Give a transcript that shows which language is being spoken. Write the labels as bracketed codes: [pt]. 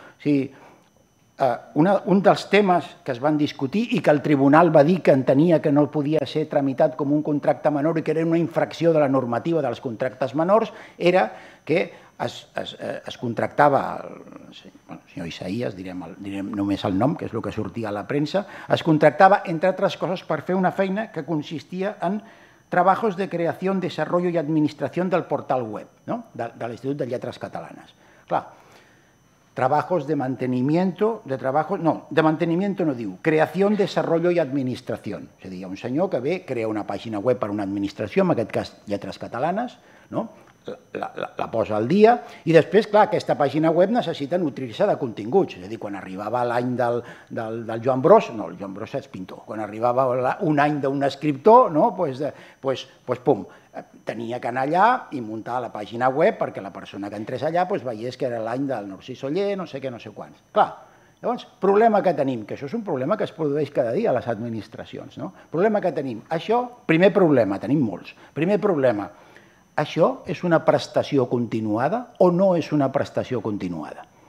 [ca] Si, un dels temes que es van discutir i que el tribunal va dir que entenia que no podia ser tramitat com un contracte menor i que era una infracció de la normativa dels contractes menors era que es contractava, el senyor Isaías, direm només el nom, que és el que sortia a la premsa, es contractava, entre altres coses, per fer una feina que consistia en treballos de creació, desenvolupament i administració del portal web, no? de l'Institut de Lletres Catalanes. [es] Clar, trabajos de mantenimiento, de trabajo, no, de mantenimiento no digo, creación, desarrollo y administración. O sea, un señor que ve, crea una página web para una administración, en este caso Lletres Catalanes, ¿no? la posa al día, y después, claro, que esta página web necesita nutrirse de continguts. Es decir, cuando arribaba el año del Joan Bros, no, el Joan Bros es pintor, cuando arribaba un año de un escriptor, ¿no? pues pum. [ca] Tenia que anar allà i muntar la pàgina web perquè la persona que entrés allà doncs, veiés que era l'any del Narcís Oller, no sé què, no sé quants. Clar, llavors, problema que tenim, que això és un problema que es produeix cada dia a les administracions, no? Problema que tenim, això, primer problema, tenim molts, primer problema, això és una prestació continuada o no és una prestació continuada?